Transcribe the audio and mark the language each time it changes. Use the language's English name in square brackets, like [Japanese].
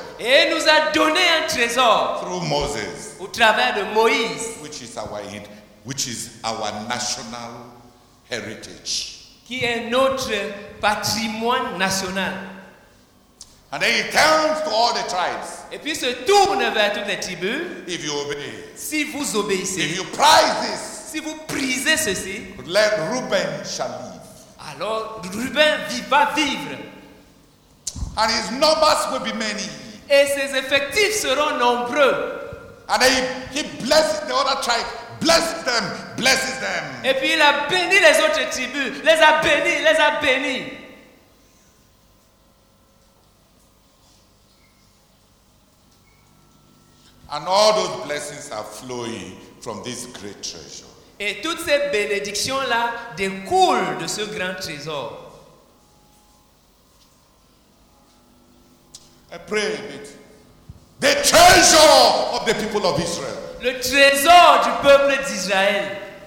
[French] Et il nous a donné un trésor. [English] Through Moses. [French] Au travers de Moïse. [English] Which is our national heritage. [French] Qui est notre patrimoine national. [English] And then he turns to all the tribes. [French] Et puis se tourne vers toutes les tribus. [English] If you obey. [French] Si vous obéissez. [English] If you prize this. [French] Si vous prisez ceci. [English] Let Reuben shall live. [French] Alors Reuben va vivre. [English] And his numbers will be many. [French] Et ses effectifs seront nombreux. [English] And then he blesses the other tribes. Blesses them. [French] Et puis il a béni les autres tribus. Les a bénis. [English] And all those blessings are flowing from this great treasure. [French] Et toutes ces bénédictions-là découlent de ce grand trésor. [English] I pray a bit. The treasure of the people of Israel. [French] Le trésor du peuple d'Israël.